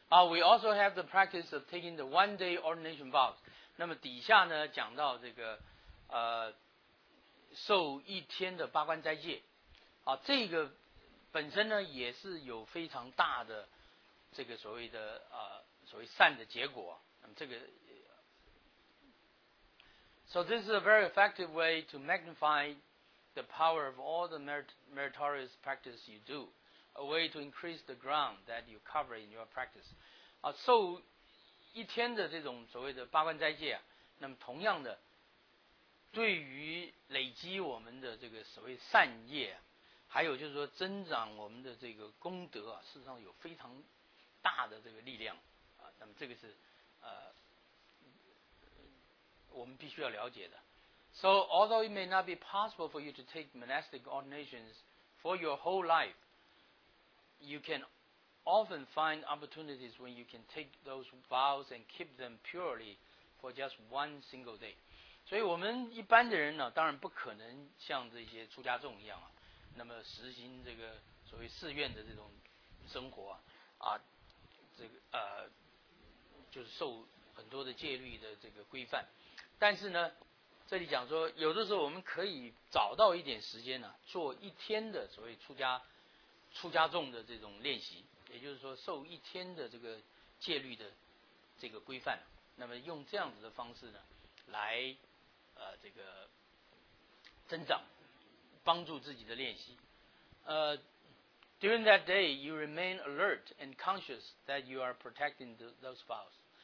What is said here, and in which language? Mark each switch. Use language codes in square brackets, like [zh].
[en] We also have the practice of taking the one-day ordination vows. [zh] 那么底下呢讲到这个受一天的八关斋戒啊，这个本身呢也是有非常大的这个所谓的所谓善的结果。那么这个 [en] So this is a very effective way to magnify the power of all the meritorious practice you do. A way to increase the ground that you cover in your practice. [zh] 啊，受一天的这种所谓的八关斋戒啊，那么同样的，对于累积我们的这个所谓善业，还有就是说增长我们的这个功德啊，事实上有非常大的这个力量啊。那么这个是我们必须要了解的。 [en] So although it may not be possible for you to take monastic ordinations for your whole life. You can often find opportunities when you can take those vows and keep them purely for just one single day. [zh] 所以我们一般的人呢，当然不可能像这些出家众一样啊，那么实行这个所谓寺院的这种生活啊，这个就是受很多的戒律的这个规范。但是呢，这里讲说，有的时候我们可以找到一点时间呢，啊，做一天的所谓出家众的这种练习，也就是说受一天的这个戒律的这个规范，那么用这样子的方式呢来这个增长帮助自己的练习。 [en] During that day you remain alert and conscious that you are protecting those vows.